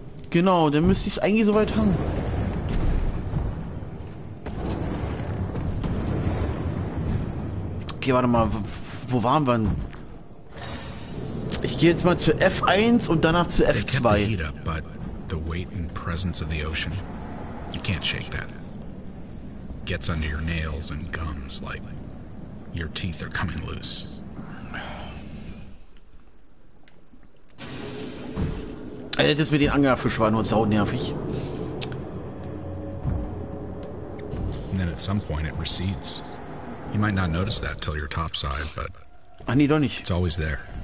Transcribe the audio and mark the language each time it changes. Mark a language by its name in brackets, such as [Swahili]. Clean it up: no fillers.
[German] Genau, dann müsste ich es eigentlich soweit haben. Okay, warte mal, wo waren wir denn? Ich gehe jetzt mal zu F1 und danach zu F2. [English] They kept the heat up, but the weight and presence of the ocean, you can't shake that. Gets under your nails and gums like your teeth are coming loose. [German] Alter, das mit den Angerfisch war nur saunervig. [English] And then at some point it recedes. You might not notice that till you're topside, but... [German] Ach nee, doch nicht. [English] It's always there.